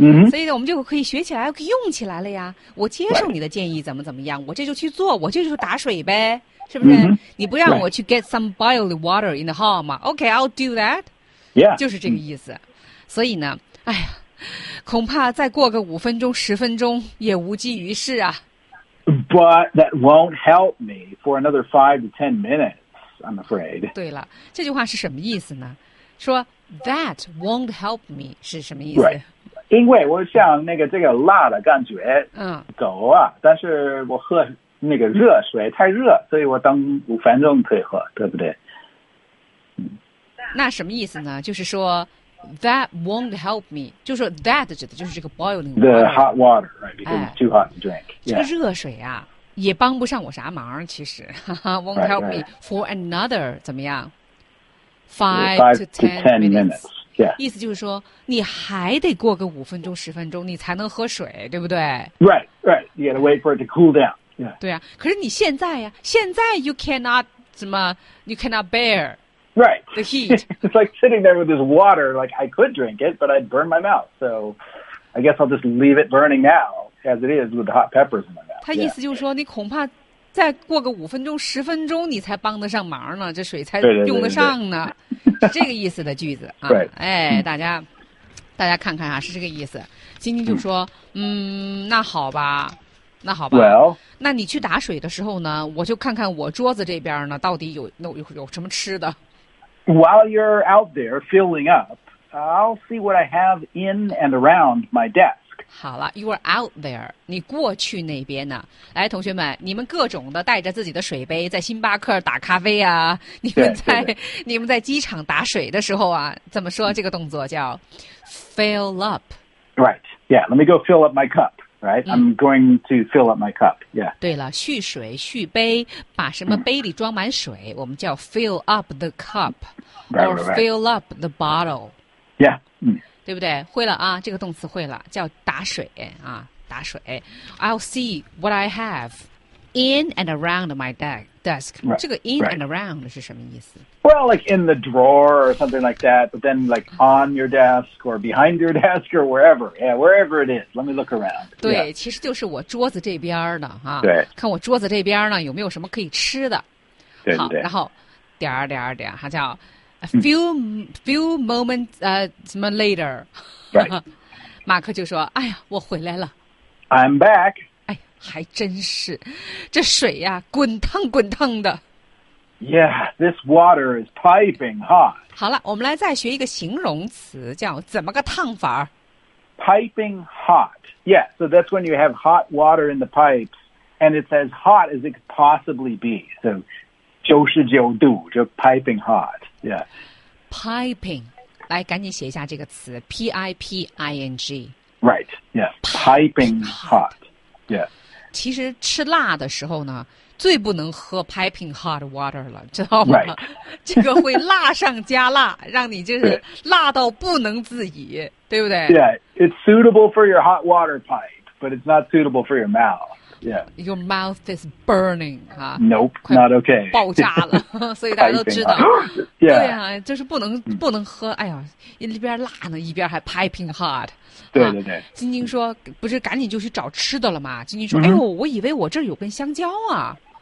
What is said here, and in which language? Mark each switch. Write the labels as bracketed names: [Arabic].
[Chinese] 所以呢，我们就可以学起来，可以用起来了呀。我接受你的建议，怎么怎么样，我这就去做，我这就打水呗，是不是？你不让我去 [English] get some boiled water in the hall 吗？Okay, I'll do that. Yeah, [Chinese] 就是这个意思、所以呢哎呀恐怕再过个五分钟十分钟也无济于事啊 [English] But that won't help me for another 5 to 10 minutes, I'm afraid. [Chinese] 对了这句话是什么意思呢说 [English] that won't help me [Chinese] 是什么意思、 [English] right. [Chinese] 因为我想那个这个辣的感觉走啊、但是我喝那个热水太热所以我等五分钟可以喝对不对那什么意思呢就是说 [English] that won't help me [Chinese] 就是说 that 指的就是这个 boiling water [English] the hot water right, because it's too hot to drink、 [Chinese] 这个热水啊也帮不上我啥忙其实 [English] won't help me for another [Chinese] 怎么样 [English] 5 to 10 minutes、yeah. [Chinese] 意思就是说你还得过个五分钟十分钟你才能喝水对不对 [English] right you gotta wait for it to cool down、 [Chinese] 对啊可是你现在呀、现在 [English] you cannot [Chinese] 怎么 [English] you cannot bear Right. The heat. It's like sitting there with this water, like I could drink it, but I'd burn my mouth. So I guess I'll just leave it burning now, as it is with the hot peppers in my mouth. [Chinese] 他意思就是说、你恐怕再过个五分钟、十分钟你才帮得上忙呢，这水才用得上呢。对。这个意思的句子啊。 [English] Right. [Chinese] 哎，大家看看啊，是这个意思。晶晶就说那好吧。那好吧 [English] well, [Chinese] 那你去打水的时候呢我就看看我桌子这边呢到底有什么吃的 [English] While you're out there filling up, I'll see what I have in and around my desk. [Chinese] 好了 ， [English] you are out there， [Chinese] 你过去那边呢？来，同学们，你们各种的带着自己的水杯在星巴克打咖啡啊，你们在你们在机场打水的时候啊，怎么说这个动作叫 fill up？ [English] Right. Yeah. Let me go fill up my cup. Right. I'm going to fill up my cup. Yeah. [Chinese] 对了，续水续杯，把什么杯里装满水，我们叫 [English] fill up the cup， or fill up the bottle。 Yeah. [Chinese] 对不对？会了啊，这个动词会了，叫打水啊，打水。 [English] I'll see what I have in and around my desk. Right, [Chinese] 这个 in、 [English] right. [Chinese] and around 是什么意思 [English] ？Well, like in the drawer or something like that. But then, like on your desk or behind your desk or wherever. Yeah, wherever it is. Let me look around. [Chinese] 对， [English] yeah. [Chinese] 其实就是我桌子这边呢，啊，对，看我桌子这边呢有没有什么可以吃的。对对对。然后点儿点儿点儿，它叫。 [English] A few moments, 什么 later, right? [Chinese] 马克就说：“哎呀，我回来了。 [English] ”I'm back. [Chinese] 哎，还真是，这水呀，滚烫滚烫的。 [English] Yeah, this water is piping hot. [Chinese] 好了，我们来再学一个形容词，叫怎么个烫法 [English] ？Piping hot. Yeah, so that's when you have hot water in the pipes, and it's as hot as it could possibly be. So, 99度就 piping hot. Yeah, [Chinese] piping. 来，赶紧写一下这个词 ，P I P I N G. [English] Right. Yeah, piping hot. Yeah. [Chinese] 其实吃辣的时候呢，最不能喝 [English] piping hot water [Chinese] 了，知道吗 [English] ？Right. [Chinese] 这个会辣上加辣，让你就是辣到不能自已，对不对 [English] ？Yeah, it's suitable for your hot water pipe, but it's not suitable for your mouth. Yeah. Your mouth is burning, huh? Nope, not okay. [Chinese] 爆炸了，所以大家都知道。 [English] Yeah. [Chinese] 对啊，就是不能喝。哎呀，一边辣呢，一边还 piping hot。对对对。晶晶说：“不是，赶紧就去找吃的了吗？” 晶晶说：“ mm-hmm. 哎呦，我以为我这儿有根香蕉啊。